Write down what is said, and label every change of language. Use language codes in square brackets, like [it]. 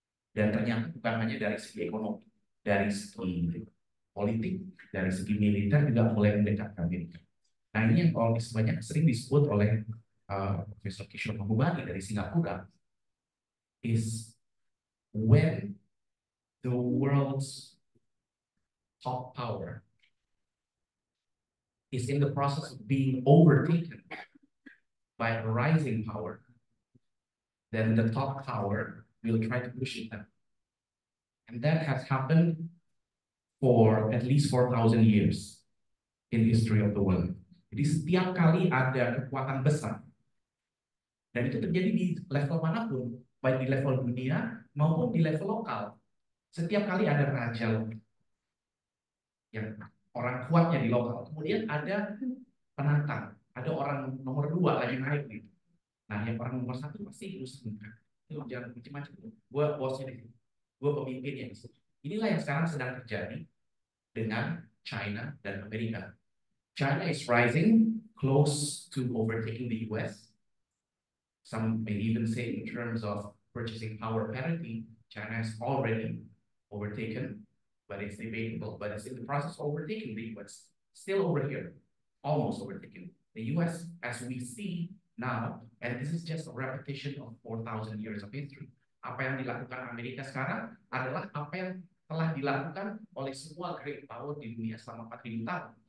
[id] Dan ternyata bukan hanya dari segi ekonomi, dari segi politik, dari segi militer juga mulai mendekatkan Amerika. Nah ini yang kalau disebutnya sering disebut oleh Profesor Kishore Mahbubani dari Singapura, [en] is when the world's top power is in the process of being overtaken by a rising power, then the top power will try to push it down. And that has happened for at least 4,000 years in the history of the world. [id] Jadi setiap kali ada kekuatan besar, dan itu terjadi di level manapun, baik di level dunia maupun di level lokal, setiap kali ada raja yang orang kuatnya di lokal, kemudian ada penantang, ada orang nomor dua lagi naik nih. Nah, yang orang nomor satu pasti diusungkan. Itu jangan macam-macam. Gue bosnya nih, gue pemimpinnya. Inilah yang sekarang sedang terjadi dengan China dan Amerika. [en] China is rising close to overtaking the US. Some may even say in terms of purchasing power parity, China has already overtaken, but it's debatable, but it's in the process of overtaking the US. Still over here, almost overtaking the US as we see now, and this is just a repetition of 4,000 years of history. [id] Apa yang dilakukan Amerika sekarang adalah apa yang telah dilakukan oleh semua great power di dunia selama 4,000 tahun.